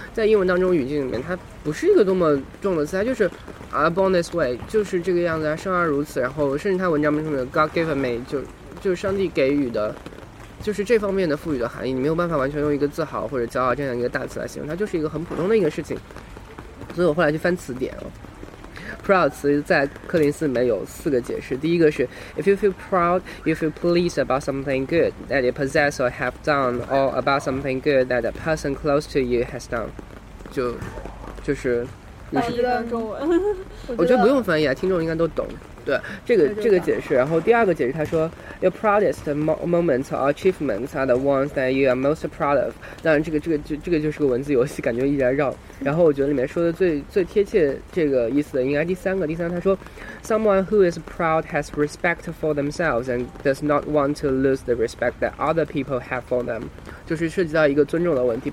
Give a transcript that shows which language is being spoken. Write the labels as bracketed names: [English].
[Chinese] 在英文当中语境里面它不是一个多么重的词，它就是 [English] born this way， [Chinese] 就是这个样子啊，生而如此。然后甚至他文章中的 [English] God given me， [Chinese] 就是上帝给予的，就是这方面的赋予的含义，你没有办法完全用一个自豪或者骄傲这样一个大词来形容，它就是一个很普通的一个事情。所以我后来去翻词典，proud 词在柯林斯里面有四个解释。第一个是 [English] ，if you feel proud, you feel pleased about something good that you possess or have done, or about something good that a person close to you has done， [Chinese] 就是，你是中文，我觉得不用翻译啊，听众应该都懂。对这个解释。然后第二个解释，他说 [English] your proudest moments or achievements are the ones that you are most proud of。 [Chinese] 当然这个就是个文字游戏，感觉一直在绕。然后我觉得里面说的最贴切这个意思的应该第三个，他说 [English] someone who is proud has respect for themselves and does not want to lose the respect that other people have for them， [Chinese] 就是涉及到一个尊重的问题。